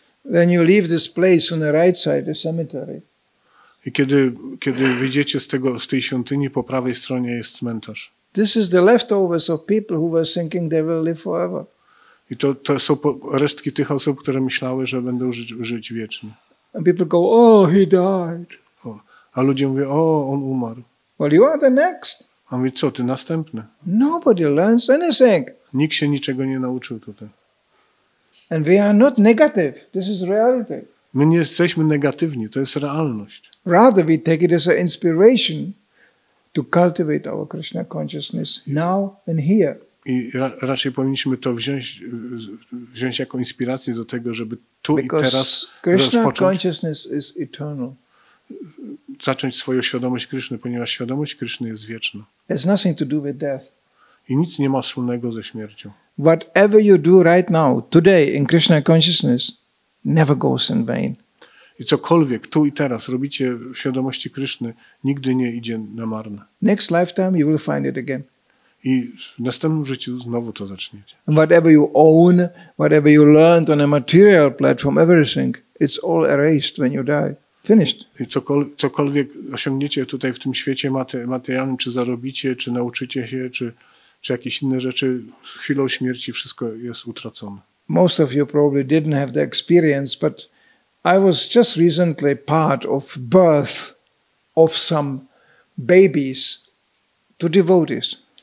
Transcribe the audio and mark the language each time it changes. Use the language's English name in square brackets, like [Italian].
[English] When you leave this place on the right side, the cemetery. [Polish] I kiedy wyjdziecie z tej świątyni, po prawej stronie jest cmentarz. [English] This is the leftovers of people who were thinking they will live forever. [Polish] I to są resztki tych osób, które myślały, że będą żyć wiecznie. [English] And people go, oh, he died. [Polish] A ludzie mówią, o, on umarł. [English] Well, you are the next. [Polish] A mówi, co, ty następny. [English] Nobody learns anything. [Polish] Nikt się niczego nie nauczył tutaj. [English] And we are not negative. This is reality. [Polish] My nie jesteśmy negatywni, to jest realność. [English] Rather we take it as an inspiration to cultivate our Krishna consciousness now and here. [Polish] I raczej powinniśmy to wziąć jako inspirację do tego, żeby tu [English] Because [Polish] i teraz [English] Krishna [Polish] rozpocząć. [English] Consciousness is eternal. [Polish] Zacząć swoją świadomość Kryszny, ponieważ świadomość Kryszny jest wieczna. [English] It's nothing to do with death. [Polish] I nic nie ma wspólnego ze śmiercią. [English] Whatever you do right now, today in Krishna consciousness, never goes in vain. [Polish] I cokolwiek tu i teraz robicie w świadomości Kryszny, nigdy nie idzie na marne. [English] Next lifetime you will find it again. [Polish] I w następnym życiu znowu to zaczniecie. [English] And whatever you own, whatever you learned on a material platform, everything, it's all erased when you die. Finished. [Polish] I cokolwiek osiągniecie tutaj w tym świecie materialnym, czy zarobicie, czy nauczycie się, czy jakieś inne rzeczy, z chwilą śmierci wszystko jest utracone. [English] Most of you probably didn't have the experience, but I was just recently part of birth of some babies to devotees.